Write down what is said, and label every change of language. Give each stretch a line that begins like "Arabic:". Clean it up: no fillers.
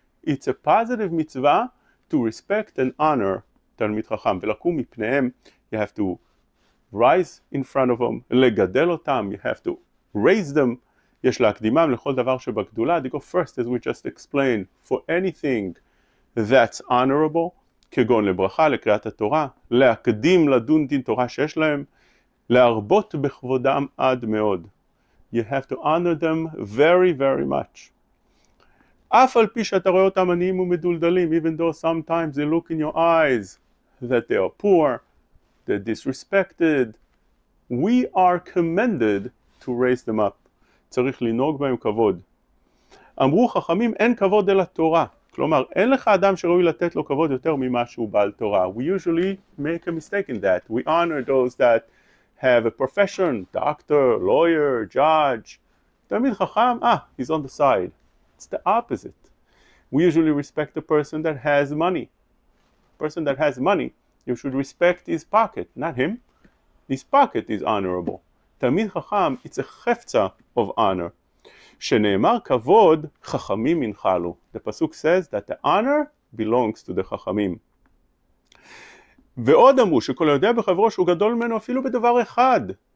English: It's a positive mitzvah to respect and honor Talmid Chacham.
Hebrew: Velakum mipneim,
English: you have to rise in front of them,
Hebrew: legadel otam,
English: you have to raise them,
Hebrew: yesh lakdimam lechol davar shebagdula,
English: they go first, as we just explained, for anything that's honorable,
Hebrew: כגון לברכה, לקריאת התורה, להקדים לדון דין תורה שיש להם, להרבות בכבודם עד מאוד.
English: You have to honor them very, very much.
Hebrew: אף על פי שאתה רואה אותם עניים ומדולדלים,
English: even though sometimes they look in your eyes that they are poor, they're disrespected, we are commended to raise them up.
Hebrew: צריך לנהוג בהם כבוד. אמרו חכמים, אין כבוד אל התורה. כלומר, אין לך אדם שראוי לתת לו כבוד יותר ממה שהוא בעל תורה.
English: We usually make a mistake in that. We honor those that have a profession, doctor, lawyer, judge. תמיד חכם, he's on the side. It's the opposite. We usually respect the person that has money. Person that has money, you should respect his pocket, not him. His pocket is honorable. תמיד חכם, it's a חפצה of honor.
Hebrew: שנאמר כבוד, חכמים ינחלו.
English: The pasuk says that the honor belongs to the חכמים.
Hebrew: ועוד אמרו שכל יודע בחברו שהוא גדול ממנו אפילו בדבר אחד.